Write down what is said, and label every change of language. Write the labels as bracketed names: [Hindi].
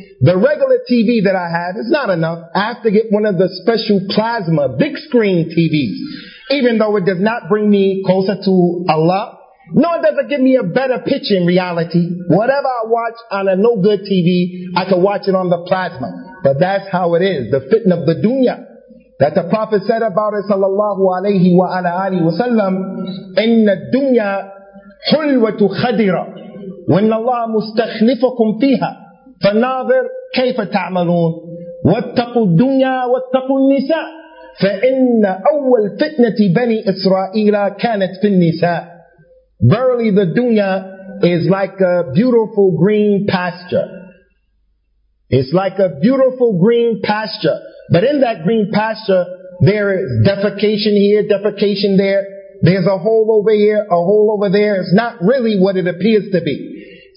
[English] The regular TV that I have is not enough. I have to get one of the special plasma, big screen TVs. Even though it does not bring me closer to Allah, nor does it give me a better picture in reality. Whatever I watch on a no good TV, I can watch it on the plasma. But that's how it is, the fitna of the dunya. That the Prophet said about it, sallallahu alayhi wa ala alihi wa sallam, [Arabic] إِنَّ الدُّنْيَا حُلْوَةُ خَدِرَ وَإِنَّ اللَّهَ مُسْتَخْلِفَكُمْ فِيهَا فَنَاظِرْ كَيْفَ تَعْمَلُونَ وَاتَّقُوا الدُّنْيَا وَاتَّقُوا النِّسَاءَ فَإِنَّ أَوَّلْ فِتْنَةِ بَنِي إِسْرَائِيلَ كَانَتْ فِي النِّسَاءَ. [English] Verily the dunya is like a beautiful green pasture. It's like a beautiful green pasture. But in that green pasture, there is defecation here, defecation there. There's a hole over here, a hole over there. It's not really what it appears to be.